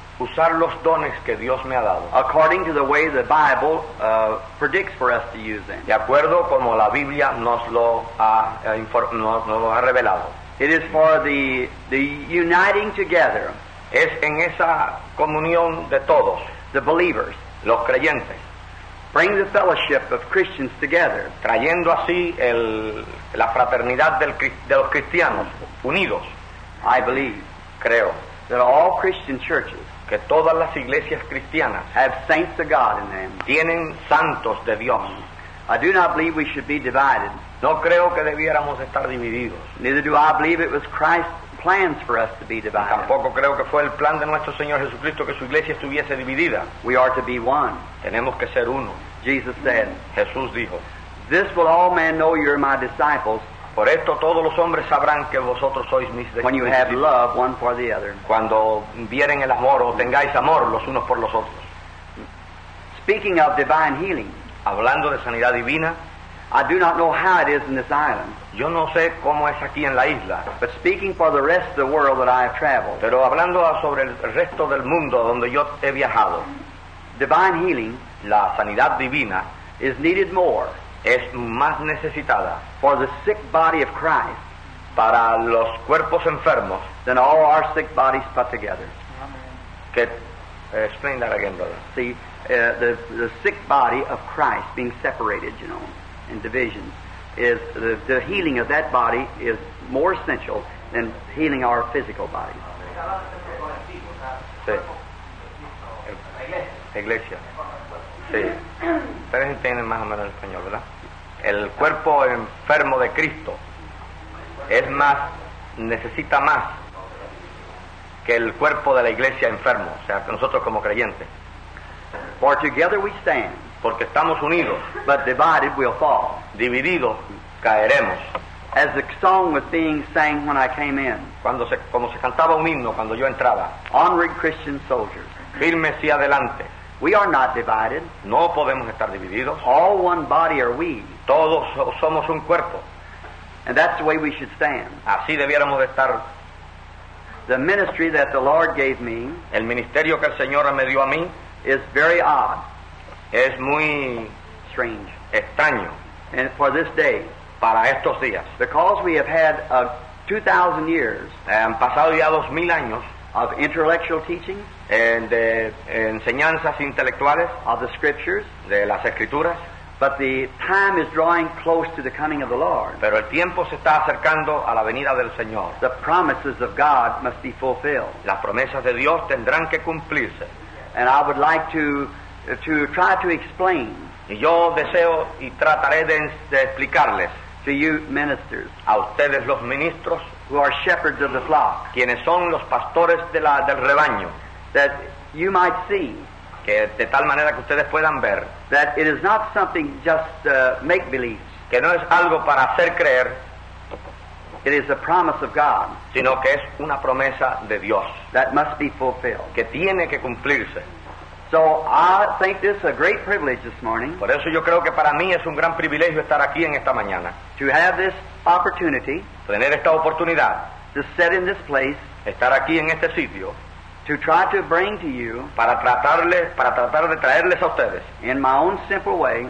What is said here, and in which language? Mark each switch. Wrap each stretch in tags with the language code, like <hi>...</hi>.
<es>Usar los dones que Dios me ha dado.</es> <en>According to the way the Bible predicts for us to use them.</en> <es>De acuerdo como la Biblia nos lo ha revelado.</es> <en>It is for the uniting together.</en> <es>Es en esa comunión de todos.</es> <en>The believers.</en> <es>Los creyentes.</es> <en>Bring the fellowship of Christians together.</en> <es>Trayendo así la fraternidad de los cristianos unidos.</es> <en>I believe.</en> <es>Creo.</es> <en>That all Christian churches.</en> <es>Que todas las iglesias cristianas.</es> <en>Have saints of God in them.</en> <es>Tienen santos de Dios.</es> <en>I do not believe we should be divided.</en> <es>No creo que debiéramos estar divididos.</es> <en>Neither do I believe it was Christ's plans for us to be divided.</en> <es>Tampoco creo que fue el plan de nuestro Señor Jesucristo que su iglesia estuviese dividida.</es> <en>We are to be one.</en> <es>Tenemos que ser uno.</es> <en>Jesus said.</en> <es>Jesús dijo.</es> <en>This will all men know you're my disciples.</en> <es>Por esto todos los hombres sabrán que vosotros sois mis discípulos.</es> <en>When you have love one for the other.</en> <es>Cuando vieren el amor o tengáis amor los unos por los otros.</es> <en>Speaking of divine healing.</en> <es>Hablando de sanidad divina.</es> <en>I do not know how it is in this island.</en> <es>Yo no sé cómo es aquí en la isla.</es> <en>But speaking for the rest of the world that I have traveled.</en> <es>Pero hablando sobre el resto del mundo donde yo he viajado.</es> <en>Divine healing.</en> <es>La sanidad divina.</es> <en>Is needed more.</en> <es>Es más necesitada.</es> <en>For the sick body of Christ.</en> <es>Para los cuerpos enfermos.</es> <en>Than all our sick bodies put together. Amen. Explain that again, brother. See, the sick body of Christ being separated, you know. And division is the healing of that body is more essential than healing our physical body.</en> <es>Sí. Iglesia. Sí. Ustedes entienden más o menos el español, ¿verdad? El cuerpo enfermo de Cristo es más, necesita más que el cuerpo de la iglesia enfermo, o sea, que nosotros como creyentes.</es> <en>For together we stand.</en> <es>Porque estamos unidos.</es> <en>But divided we'll fall.</en> <es>Divididos caeremos.</es> <en>As the song was being sang when I came in.</en> <es>Como se cantaba un himno cuando yo entraba.</es> <en>Onward Christian soldiers.</en> <es>Firmes y adelante.</es> <en>We are not divided.</en> <es>No podemos estar divididos.</es> <en>All one body are we.</en> <es>Todos somos un cuerpo.</es> <en>And that's the way we should stand.</en> <es>Así debiéramos de estar.</es> <en>The ministry that the Lord gave me.</en> <es>El ministerio que el Señor me dio a mí.</es> <en>Is very odd.</en> <es>Es muy</es> <en>strange.</en> <es>Extraño.</es> <en>And for this day,</en> <es>para estos días,</es> <en>because we have had 2,000 years,</en> <es>han pasado ya 2,000 años,</es> <en>of intellectual teaching,</en> <es>de enseñanzas intelectuales,</es> <en>of the scriptures,</en> <es>de las escrituras,</es> <en>But the time is drawing close to the coming of the Lord.</en> <es>Pero el tiempo se está acercando a la venida del Señor.</es> <en>The promises of God must be fulfilled.</en> <es>Las promesas de Dios tendrán que cumplirse.</es> <en>And I would like to try to explain.</en> <es>Y yo deseo y trataré de explicarles.</es> <en>To you ministers.</en> <es>A ustedes los ministros.</es> <en>Who are shepherds of the flock.</en> <es>Quienes son los pastores de la, del rebaño.</es> <en>That you might see.</en> <es>Que de tal manera que ustedes puedan ver.</es> <en>That it is not something just make believe.</en> <es>Que no es algo para hacer creer.</es> <en>It is a promise of God.</en> <es>Sino que es una promesa de Dios.</es> <en>That must be fulfilled.</en> <es>Que tiene que cumplirse.</es> <en>So I think this is a great privilege this morning.</en> <es>Por eso yo creo que para mí es un gran privilegio estar aquí en esta mañana.</es> <en>To have this opportunity.</en> <es>Tener esta oportunidad.</es> <en>To sit in this place.</en> <es>Estar aquí en este sitio.</es> <en>To try to bring to you,</en> <es>para tratar de traerles a ustedes,</es> <en>in my own simple way,</en>